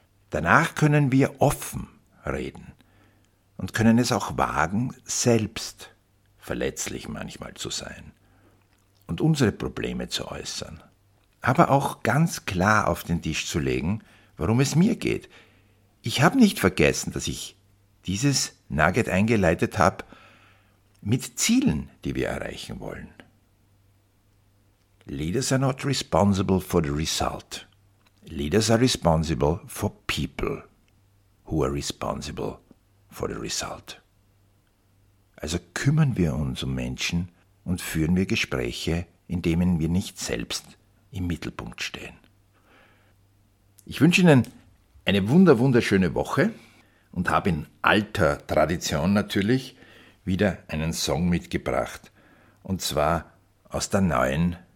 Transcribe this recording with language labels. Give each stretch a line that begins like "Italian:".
German: Danach können wir offen reden und können es auch wagen, selbst verletzlich manchmal zu sein und unsere Probleme zu äußern, aber auch ganz klar auf den Tisch zu legen, worum es mir geht. Ich habe nicht vergessen, dass ich dieses Nugget eingeleitet habe mit Zielen, die wir erreichen wollen.
English: Leaders are not responsible for the result. Leaders are responsible for people who are responsible for the result.
German: Also kümmern wir uns um Menschen und führen wir Gespräche, in denen wir nicht selbst im Mittelpunkt stehen. Ich wünsche Ihnen eine wunderschöne Woche und habe in alter Tradition natürlich wieder einen Song mitgebracht. Und zwar aus der neuen